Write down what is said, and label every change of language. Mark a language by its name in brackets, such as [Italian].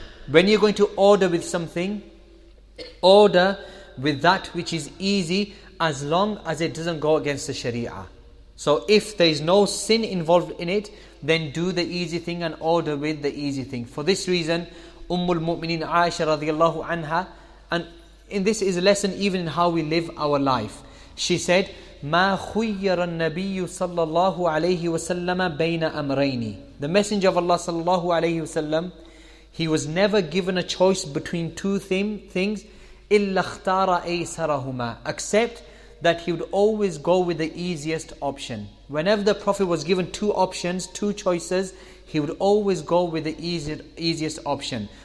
[English] When you're going to order with something, order with that which is easy, as long as it doesn't go against the Sharia. So if there is no sin involved in it, then do the easy thing and order with the easy thing. For this reason, Ummul Mu'mineen Aisha radiallahu anha, and in this is a lesson even in how we live our life. She said, [Arabic] مَا خُيَّرَ النَّبِيُّ صَلَّى اللَّهُ عَلَيْهِ وَسَلَّمَ بَيْنَ أَمْرَيْنِ. [English] The Messenger of Allah صلى الله عليه وسلم, he was never given a choice between two things, [Arabic] إِلَّا اخْتَارَ أَيْسَرَهُمَا, [English] except that he would always go with the easiest option. Whenever the Prophet was given two options, two choices, he would always go with the easiest option.